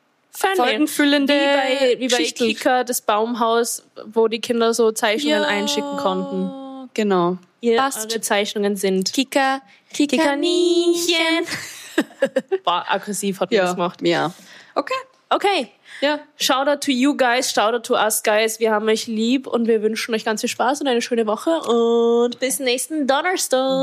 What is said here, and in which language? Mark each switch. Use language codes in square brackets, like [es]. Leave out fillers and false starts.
[de] folgenfüllende Wie bei Kika, das Baumhaus, wo die Kinder so Zeichnungen einschicken konnten. Genau. Eure Zeichnungen sind Kikaninchen. Boah, aggressiv hat man das gemacht. Ja. Okay. Okay. Ja. [en] Shout out to you guys, shout out to us guys. [de] Wir haben euch lieb und wir wünschen euch ganz viel Spaß und eine schöne Woche. Und bis nächsten Donnerstag.